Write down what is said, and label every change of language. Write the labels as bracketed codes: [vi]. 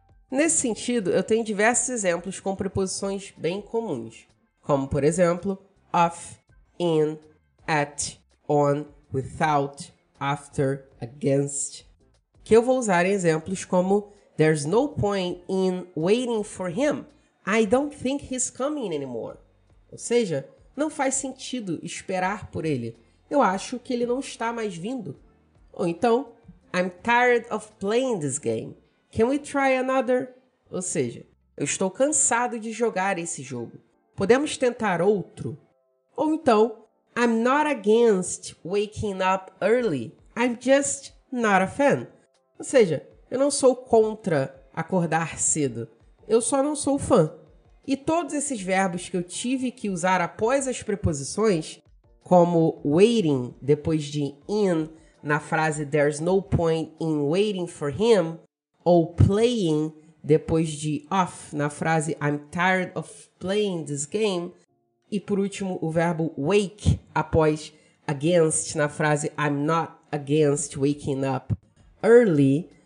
[pt] Nesse sentido, eu tenho diversos exemplos com preposições bem comuns, como, por exemplo, of, in, at, on, without, after, against, que eu vou usar em exemplos como [en] there's no point in waiting for him, I don't think he's coming anymore. [pt] Ou seja, não faz sentido esperar por ele, eu acho que ele não está mais vindo. Ou então, [en] I'm tired of playing this game, can we try another? [pt] Ou seja, eu estou cansado de jogar esse jogo, podemos tentar outro? Ou então, [en] I'm not against waking up early, I'm just not a fan. [pt] Ou seja, eu não sou contra acordar cedo, eu só não sou fã. E todos esses verbos que eu tive que usar após as preposições, como waiting depois de in na frase [en] there's no point in waiting for him, [pt] ou playing depois de off na frase [en] I'm tired of playing this game, [pt] e por último, o verbo wake após against na frase [en] I'm not against waking up early.